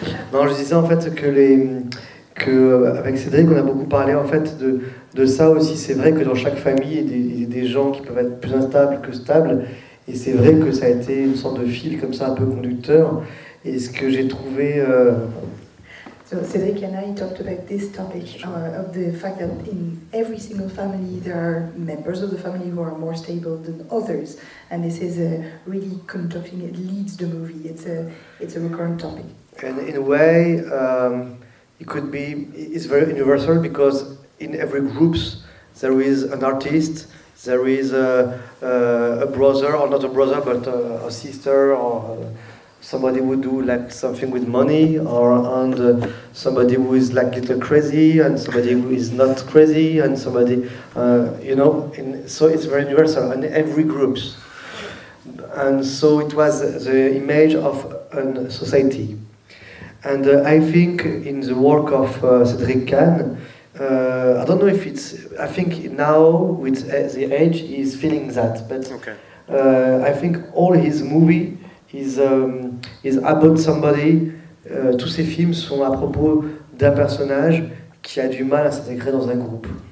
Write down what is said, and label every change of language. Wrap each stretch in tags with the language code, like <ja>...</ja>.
<fr>Non, je disais en fait que avec Cédric, on a beaucoup parlé en fait de ça aussi. C'est vrai que dans chaque famille, il y a des gens qui peuvent être plus instables que stables. Et c'est vrai que ça a été une sorte de fil comme ça, un peu conducteur. Et ce que j'ai trouvé.</fr> <en>So Cédric and I talked about this topic of the fact that in every single family there are members of the family who are more stable than others, and this is a really conducting. It leads the movie. It's a recurrent topic. And in a way, it could be. It's very universal because in every group, there is an artist, there is a brother or not a brother, but a sister or somebody who do like something with money, and somebody who is like a little crazy, and somebody who is not crazy, and somebody, so it's very universal in every group. And so it was the image of a society. And I think in the work of Cédric Kahn, I don't know if it's, I think now with the age, he's feeling that. But okay. I think all his movie is about somebody.</en> <fr>Tous ses films sont à propos d'un personnage qui a du mal à s'intégrer dans un groupe.</fr>